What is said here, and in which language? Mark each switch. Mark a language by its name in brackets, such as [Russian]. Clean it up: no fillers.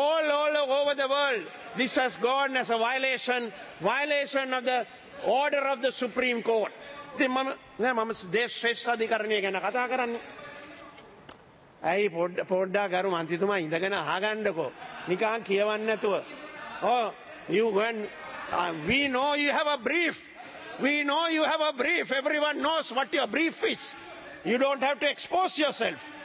[English] All over the world, this has gone as a violation of the order of the Supreme Court. [Sinhala] ඉතින් මම ශ්‍රේෂ්ඨ අධිකරණිය ගැන කතා කරන්නේ. ඇයි පොඩ්ඩක් අර මන්ත්‍රීතුමා ඉඳගෙන අහගන්නකෝ. නිකන් කියවන්නේ නැතුව. [English] Oh, you when we know you have a brief. We know you have a brief. Everyone knows what your brief is. You don't have to expose yourself.